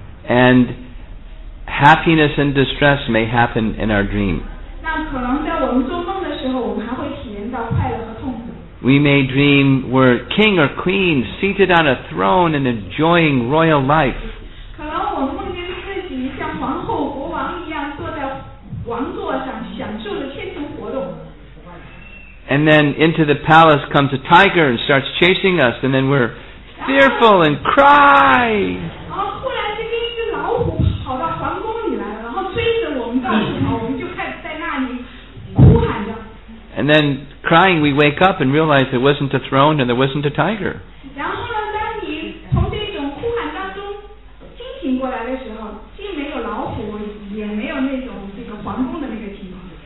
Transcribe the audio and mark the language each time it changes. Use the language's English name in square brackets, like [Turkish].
[English] And happiness and distress may happen in our dream. [Chinese] 那可能在我们做梦的时候，我们还会体验到快乐和痛苦。 [English] We may dream we're king or queen seated on a throne and enjoying royal life. [Chinese] 可能我梦见自己像皇后、国王一样坐在王座上，享受着天庭活动。 [English] And then into the palace comes a tiger and starts chasing us, and then we're fearful and cry. [Chinese] 然后忽然间一只老虎跑到皇宫里来了，然后追着我们到处跑，我们就开始在那里哭喊着。 [English] And then crying, we wake up and realize there wasn't a throne and there wasn't a tiger. [Chinese] 然后呢，当你从这种哭喊当中惊醒过来的时候，既没有老虎，也没有那种这个皇宫的那个情况。